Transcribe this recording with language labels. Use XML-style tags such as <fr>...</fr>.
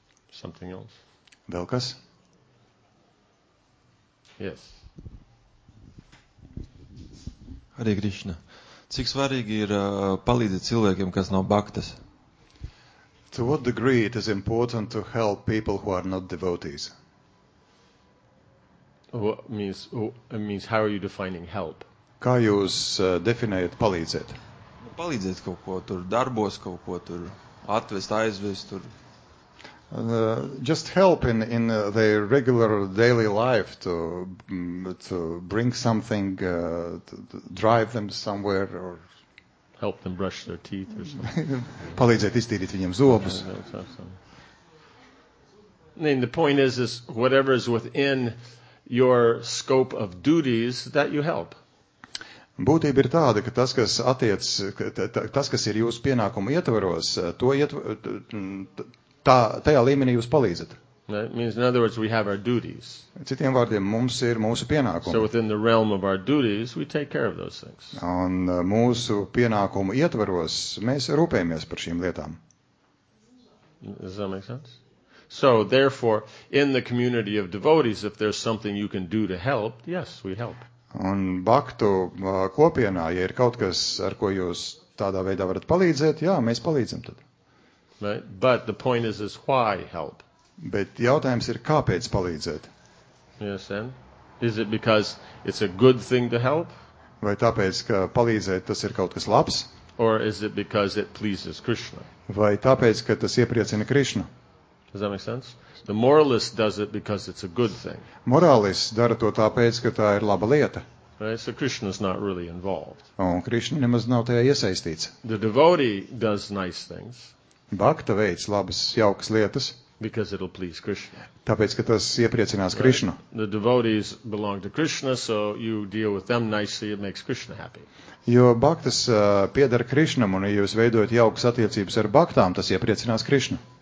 <en>Something else?</en> <lv>Vēl kas?</lv> <en>Yes. Hare Krishna.</en> <lv>Cik svarīgi ir palīdzēt cilvēkiem, kas nav baktas?</lv> <en>To what degree it is important to help people who are not devotees? It means how are you defining help?</en> <lv>Kā jūs definējat palīdzēt? Nu, palīdzēt kaut ko tur, darbos kaut ko tur, atvest, aizvest tur.</lv> <en>Just help in their regular daily life to bring something, to drive them somewhere or help them brush their teeth or something.</en> <lv>Palīdzēt iztīrīt viņiem zobus.</lv> <en>I mean, the point is whatever is within your scope of duties that you help.</en> <lv>Būtība ir tāda, ka tas, kas attiec, tas, kas ir jūsu pienākumu ietvaros, tajā līmenī jūs palīdzat.</lv> <en>That means, in other words, we have our duties.</en> <lv>Citiem vārdiem, mums ir mūsu pienākumi.</lv> <en>So within the realm of our duties, we take care of those things.</en> <lv>Un mūsu pienākumu ietvaros, mēs rūpējamies par šīm lietām.</lv> <en>Does that make sense? So, therefore, in the community of devotees, if there's something you can do to help, yes, we help.</en> <lv>Un baktu kopienā, ja ir kaut kas, ar ko jūs tādā veidā varat palīdzēt, jā, mēs palīdzam tad.</lv> <en>Right? But the point is why help?</en> <lv>Bet jautājums ir, kāpēc palīdzēt?</lv> <en>Yes, and? Is it because it's a good thing to help?</en> <lv>Vai tāpēc, ka palīdzēt, tas ir kaut kas labs?</lv> <en>Or is it because it pleases Krishna?</en> <lv>Vai tāpēc, ka tas iepriecina Krishna?</lv> <en>Does that make sense? The moralist does it because it's a good thing.</en> <lv>Morālists dara to tāpēc, ka tā ir laba lieta.</lv> <en>Right, so Krishna's not really involved.</en> <lv>Un Krishna nemaz nav tajā iesaistīts.</lv> <en>The devotee does nice things.</en> <lv>Bhakta veids labas, jaukas lietas.</lv> <en>Because it'll please Krishna.</en> <lv>Tāpēc, ka tas iepriecinās Krishna.</lv> <en>Right. The devotees belong to Krishna, so you deal with them nicely, it makes Krishna happy.</en> <lv>Jo bhaktas piedara Krishnam, un ja jūs veidojat jaukas attiecības ar bhaktām, tas iepriecinās Krishna.</lv>